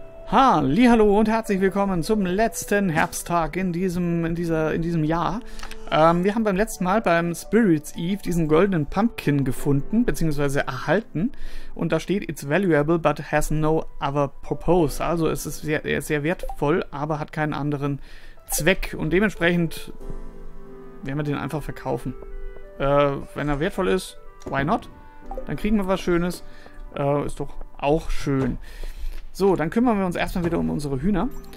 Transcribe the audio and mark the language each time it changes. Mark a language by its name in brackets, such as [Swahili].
[German] Hallihallo und herzlich willkommen zum letzten Herbsttag in diesem Jahr. Wir haben beim letzten Mal beim Spirits Eve diesen goldenen Pumpkin gefunden, beziehungsweise erhalten. Und da steht, [English] it's valuable but has no other purpose. [German] Also es ist sehr wertvoll, aber hat keinen anderen Zweck. Und dementsprechend werden wir den einfach verkaufen. Wenn er wertvoll ist, [English] why not? [German] Dann kriegen wir was Schönes. Ist doch auch schön. So, dann kümmern wir uns erstmal wieder um unsere Hühner.